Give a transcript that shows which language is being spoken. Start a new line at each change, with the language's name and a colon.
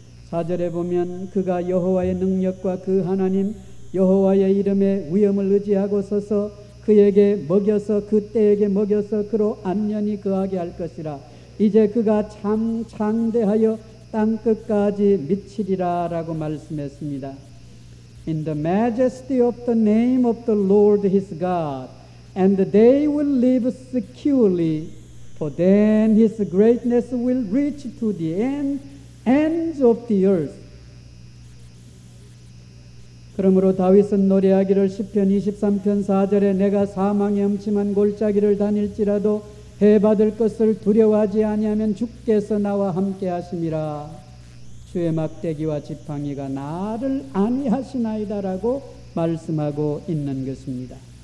Korean: 4절에 보면 그가 여호와의 능력과 그 하나님 여호와의 이름에 위엄을 의지하고 서서 그에게 먹여서 그때에게 먹여서 그로 안연히 거하게 할 것이라. 이제 그가 참 창대하여 땅끝까지 미치리라 라고 말씀했습니다.
English: In the majesty of the name of the Lord his God, and they will live securely, for then his greatness will reach to the ends of the earth.
Korean: 그러므로 다윗은 노래하기를 시편 23편 4절에 내가 사망의 음침한 골짜기를 다닐지라도 해받을 것을 두려워하지 아니하면 주께서 나와 함께 하심이라. 주의 막대기와 지팡이가 나를 안위하시나이다 라고 말씀하고 있는 것입니다.